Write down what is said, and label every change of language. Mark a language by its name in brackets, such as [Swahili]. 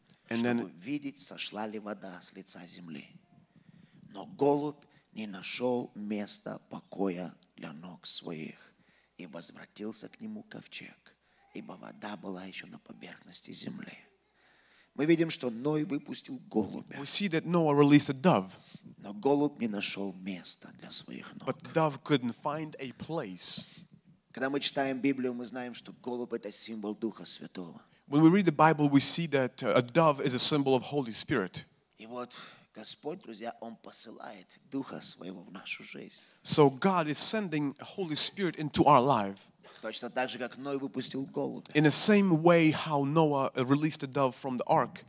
[English] And then, [Russian] но голубь не нашел места покоя для ног своих и возвратился к нему ковчег, ибо вода была еще на поверхности земли. Мы видим, что Ной выпустил голубя. [English] We see that Noah released a dove. [Russian] Но голубь не нашел места для своих ног. [English] But dove couldn't find a place. [Russian] Когда мы читаем Библию, мы знаем, что голубь это символ Духа Святого. [English] When we read the Bible, we see that a dove is a symbol of Holy Spirit. [Russian] И вот Господь, друзья, Он посылает Духа Своего в нашу жизнь. [English] So God is sending Holy Spirit into our life. [Russian] Точно так же, как Ной выпустил голубя. [English] In the same way how Noah released the dove from the ark.